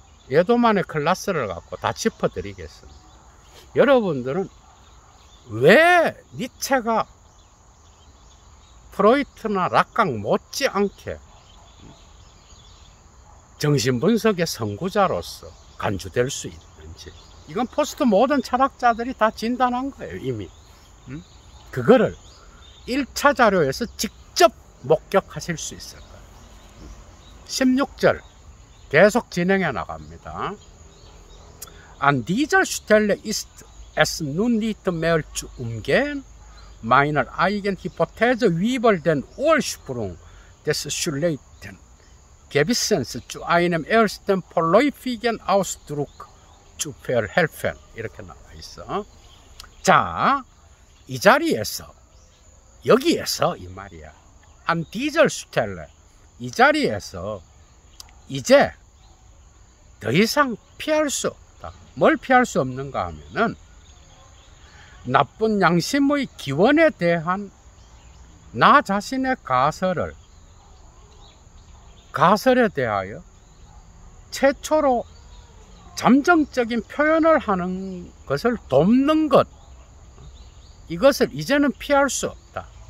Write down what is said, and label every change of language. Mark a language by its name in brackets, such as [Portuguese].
[Korean] 얘도만의 클라스를 갖고 다 짚어드리겠습니다. 여러분들은 왜 니체가 프로이트나 락강 못지않게 정신분석의 선구자로서 간주될 수 있는지, 이건 포스트 모던 철학자들이 다 진단한 거예요 이미. 그거를 1차 자료에서 직접 목격하실 수 있을 거예요. 16절 계속 진행해 나갑니다. [German] An dieser Stelle ist es nun nicht mehr zu umgehen, meiner eigenen Hypothese Weibel den Ursprung des Schlechten Gewissens zu einem ersten vorläufigen Ausdruck zu verhelfen. [Korean] 이렇게 나와 있어. 자, 이 자리에서, 여기에서 이 말이야. [German] An dieser Stelle, [Korean] 이 자리에서 이제 더 이상 피할 수 없다. 뭘 피할 수 없는가 하면은 나쁜 양심의 기원에 대한 나 자신의 가설에 대하여 최초로 잠정적인 표현을 하는 것을 돕는 것, 이것을 이제는 피할 수 없다.